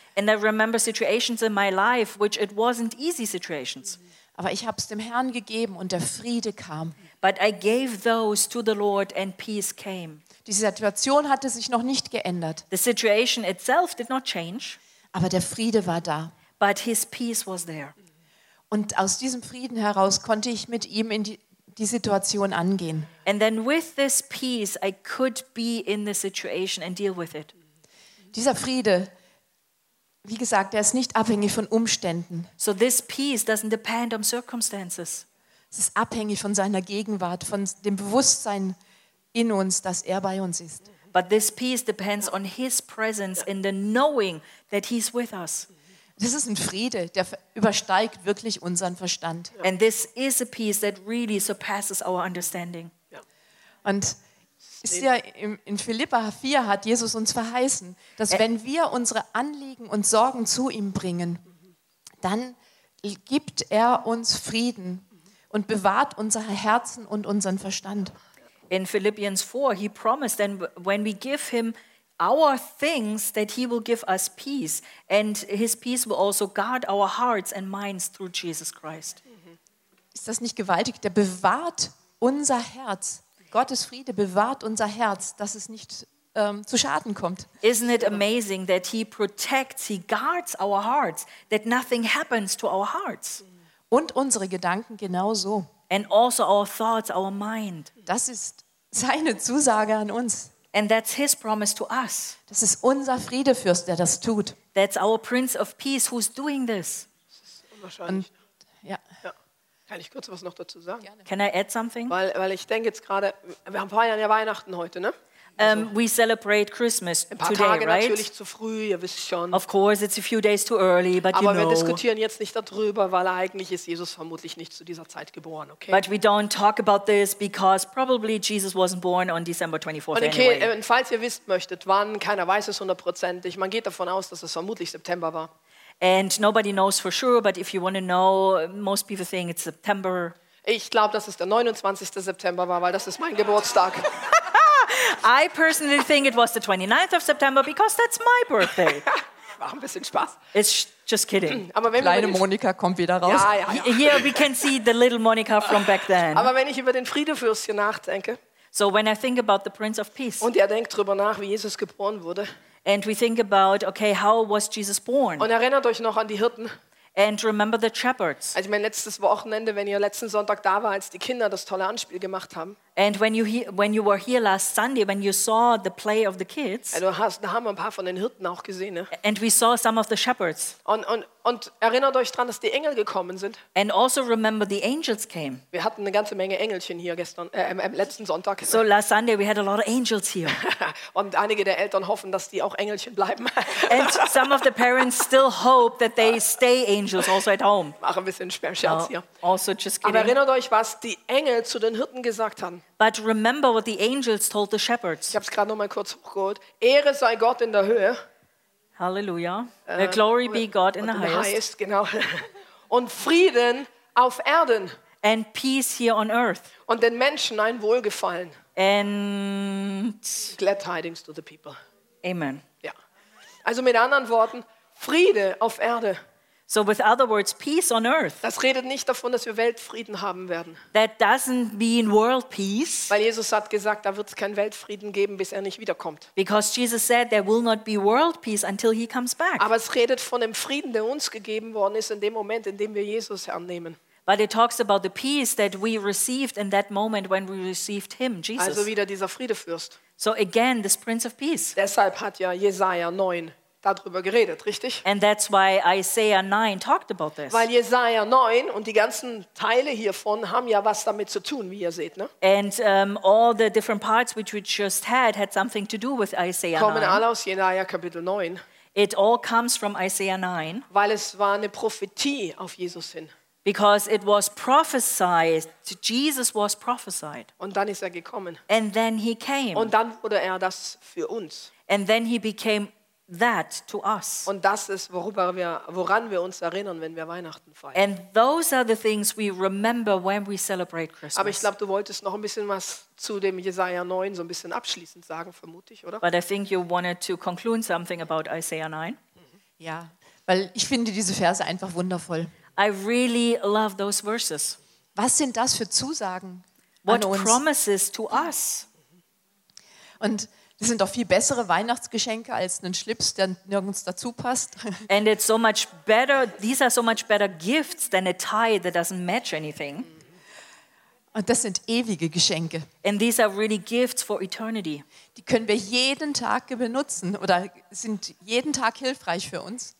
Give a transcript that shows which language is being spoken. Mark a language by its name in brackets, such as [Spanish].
[English] And I remember situations in my life which it wasn't easy situations. [German] Aber ich habe es dem Herrn gegeben und der Friede kam. [English] But I gave those to the Lord and peace came. [German] Die Situation hatte sich noch nicht geändert. [English] The situation itself did not change. [German] Aber der Friede war da. [English] But his peace was there. [German] Und aus diesem Frieden heraus konnte ich mit ihm in die Situation angehen. [English] And then with this peace I could be in the situation and deal with it. [German] Dieser Friede, wie gesagt, er ist nicht abhängig von Umständen. [English] So this peace doesn't depend on circumstances. [German] Es ist abhängig von seiner Gegenwart, von dem Bewusstsein in uns, dass er bei uns ist. [English] But this peace depends on his presence in the knowing that he's with us. [German] Das ist ein Friede, der übersteigt wirklich unseren Verstand. [English] And this is a peace that really surpasses our understanding. [German] Und ist ja in Philipper 4 hat Jesus uns verheißen, dass wenn wir unsere Anliegen und Sorgen zu ihm bringen, dann gibt er uns Frieden und bewahrt unsere Herzen und unseren Verstand. [English] In Philippians 4 he promised and when we give him our things that he will give us peace and his peace will also guard our hearts and minds through Jesus Christ. [German] Ist das nicht gewaltig? Der bewahrt unser Herz. Gottes Friede bewahrt unser Herz, dass es nicht zu Schaden kommt. [English] Isn't it amazing that he protects, he guards our hearts, that nothing happens to our hearts? [German] Und unsere Gedanken genauso. [English] And also our thoughts, our mind. [German] Das ist seine Zusage an uns. [English] And that's his promise to us. [German] Das ist unser Friedefürst, der das tut. [English] That's our Prince of Peace who's doing this. [German] Das ist unwahrscheinlich. Und, ja. Ja. Kann ich kurz was noch dazu sagen? Gerne. [English] Can I add something? [German] Weil ich denke jetzt gerade, wir haben feiern ja Weihnachten heute, ne? [English] We celebrate Christmas [German] ein paar [English] today, [German] Tage [English] right? [German] Natürlich zu früh, ihr wisst schon. [English] Of course, it's a few days too early, but [German] aber [English] you know. [German] Aber wir diskutieren jetzt nicht darüber, weil eigentlich ist Jesus vermutlich nicht zu dieser Zeit geboren, okay? [English] But we don't talk about this because probably Jesus wasn't born on December 24th okay, anyway. [German] Und falls ihr wissen möchtet, wann, keiner weiß es hundertprozentig. Man geht davon aus, dass es vermutlich September war. [English] And nobody knows for sure, but if you want to know, most people think it's September. [German] Ich glaube, dass es der 29. September war, weil das ist mein Geburtstag. [English] I personally think it was the 29th of September because that's my birthday. [German] Mach ein bisschen Spaß. [English] It's just kidding. [German] Aber wenn kleine Monika kommt wieder raus. Ja, ja, ja. [English] Here we can see the little Monica from back then. [German] Aber wenn ich über den Friedefürst hier nachdenke. [English] So when I think about the Prince of Peace. [German] Und er denkt drüber nach, wie Jesus geboren wurde. [English] And we think about, okay, how was Jesus born? [German] Und erinnert euch noch an die Hirten. [English] And remember the shepherds. [German] Also mein letztes Wochenende, wenn ihr letzten Sonntag da war, als die Kinder das tolle Anspiel gemacht haben. [English] And when you were here last Sunday, when you saw the play of the kids. [German] Also da haben wir ein paar von den Hirten auch gesehen. Ne? [English] And we saw some of the shepherds. [German] Und erinnert euch dran, dass die Engel gekommen sind. [English] And also remember the angels came. [German] Wir hatten eine ganze Menge Engelchen hier gestern, letzten Sonntag. [English] So last Sunday we had a lot of angels here. [German] Und einige der Eltern hoffen, dass die auch Engelchen bleiben. [English] And some of the parents still hope that they stay angels also at home. [German] Mach ein bisschen Sperrscherz hier. [English] Also just kidding. [German] Aber erinnert euch, was die Engel zu den Hirten gesagt haben. [English] But remember what the angels told the shepherds. [German] Ich hab's gerade noch mal kurz hochgeholt. Ehre sei Gott in der Höhe. [English] Halleluja. Glory be God in the highest. [German] Genau. Und Frieden auf Erden. [English] And peace here on earth. [German] Und den Menschen ein Wohlgefallen. [English] And glad tidings to the people. Amen. [German] Ja. Also mit anderen Worten, Friede auf Erde. [English] So with other words, peace on earth. [German] Das redet nicht davon, dass wir Weltfrieden haben werden. [English] That doesn't mean world peace. [German] Weil Jesus hat gesagt, da wird es keinen Weltfrieden geben, bis er nicht wiederkommt. [English] Because Jesus said there will not be world peace until he comes back. [German] Aber es redet von dem Frieden, der uns gegeben worden ist in dem Moment, in dem wir Jesus annehmen. [English] But it talks about the peace that we received in that moment when we received him, Jesus. [German] Also wieder dieser Friedefürst. [English] So again, this Prince of Peace. [German] Deshalb hat ja Jesaja 9 darüber geredet, richtig? [English] And that's why Isaiah 9 talked about this. [German] Weil Jesaja 9 und die ganzen Teile hiervon haben ja was damit zu tun, wie ihr seht, ne? [English] And all the different parts which we just had something to do with Isaiah 9. [German] Kommen alle aus Jesaja Kapitel 9. [English] It all comes from Isaiah 9. [German] Weil es war eine Prophetie auf Jesus hin. [English] Because it was prophesied, Jesus was prophesied. [German] Und dann ist er gekommen. [English] And then he came. [German] Und dann wurde er das für uns. [English] And then he became that to us. [German] Und das ist, woran wir uns erinnern, wenn wir Weihnachten feiern. [English] And those are the things we remember when we celebrate Christmas. [German] Aber ich glaube, du wolltest noch ein bisschen was zu dem Jesaja 9 so ein bisschen abschließend sagen, vermutlich, oder? [English] But I think you wanted to conclude something about Isaiah 9. [German] Ja, weil ich finde diese Verse einfach wundervoll. [English] I really love those verses. [German] Was sind das für Zusagen? [English] What promises to us? [German] Und das sind doch viel bessere Weihnachtsgeschenke als einen Schlips, der nirgends dazu passt. [English] And it's so much better. These are so much better gifts than a tie that doesn't match anything. [German] Und das sind ewige Geschenke. [English] And these are really gifts for eternity. [German] Die können wir jeden Tag benutzen oder sind jeden Tag hilfreich für uns.